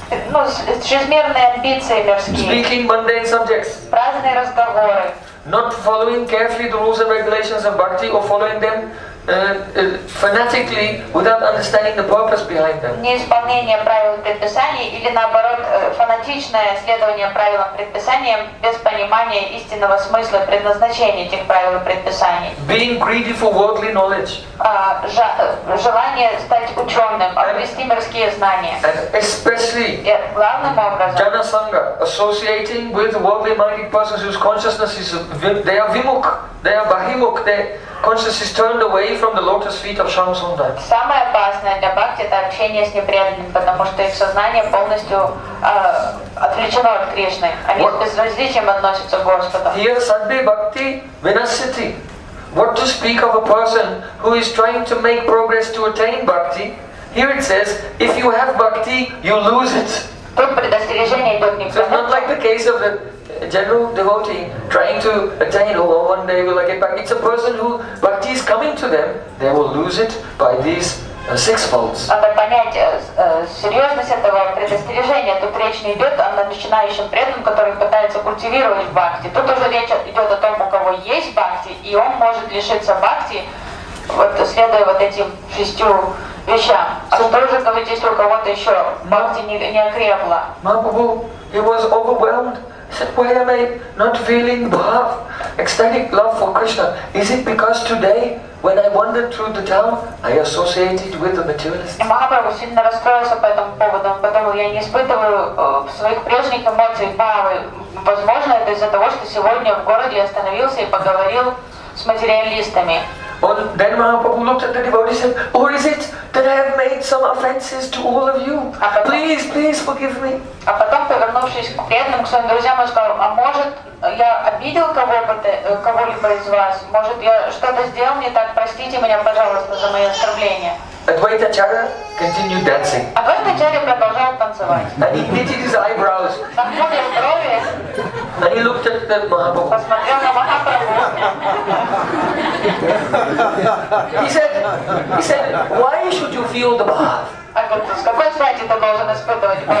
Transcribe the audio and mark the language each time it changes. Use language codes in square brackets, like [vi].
[ru] Ну, чрезмерные амбиции мирские. [en] Speaking mundane subjects. [ru] Праздные разговоры. [en] Not following carefully the rules and regulations of bhakti or following them fanatically without understanding the purpose behind them. [ru] Неисполнение правил предписаний или наоборот фанатичное следование правилам предписаниям без понимания истинного смысла предназначения этих правил предписаний. [en] Being greedy for worldly knowledge. [ru] Желание стать ученым, обрести мирские знания. [en] Especially. [ru] Главным образом. [en] Jana Sangha, associating with worldly minded persons whose consciousness is they are vimuk, they are bahimuk, they consciousness is turned away from the lotus feet of Shama Sundar. [ru] Самое опасное для бхакти это общение с непреданным, потому что их сознание полностью отвлечено от Кришны. Они с безразличием относятся к Господу. [sa] Here sadhya bhakti vinasati. [en] What to speak of a person who is trying to make progress to attain bhakti? Here it says, if you have bhakti, you lose it. [ru] Тут предостережение идет не. [en] So it's not like the case of a general devotee trying to attain, oh, one day will I get back. It's a person who bhakti is coming to them, they will lose it by these six faults. [ru] Надо понять серьезность этого предостережения. Тут речь не идет о начинающем преданном, который пытается культивировать бхакти. Тут уже речь идет о том, у кого есть бхакти, и он может лишиться бхакти, вот следуя вот этим шестью вещам. А что же говорить, если у кого-то еще бхакти не окрепло? [en] Mahaprabhu, he was overwhelmed. He said, why am I not feeling bhav, ecstatic love for Krishna? Is it because today, when I wandered through the town, I associated with the materialists? [ru] И Махапрабху сильно расстроился по этому поводу. Он подумал, я не испытываю своих прежних эмоций бхавы. Возможно, это из-за того, что сегодня в городе я остановился и поговорил с материалистами. [en] Well, then Mahaprabhu looked at the devotee and said, or is it that I have made some offenses to all of you? Please, please forgive me. [ru] А потом, повернувшись к преданным, к своим друзьям, он сказал, а может я обидел кого-либо из вас? Может я что-то сделал не так? Простите меня, пожалуйста, за мои оскорбления. [en] Advaita Acharya continued dancing. [ru] Advaita Acharya продолжал танцевать. [en] And he knitted his eyebrows. And he looked at the Mahaprabhu. [ru] Посмотрел на Махапрабху. [en] He said, why should you feel the bath? [ru] С какой стати ты должен испытывать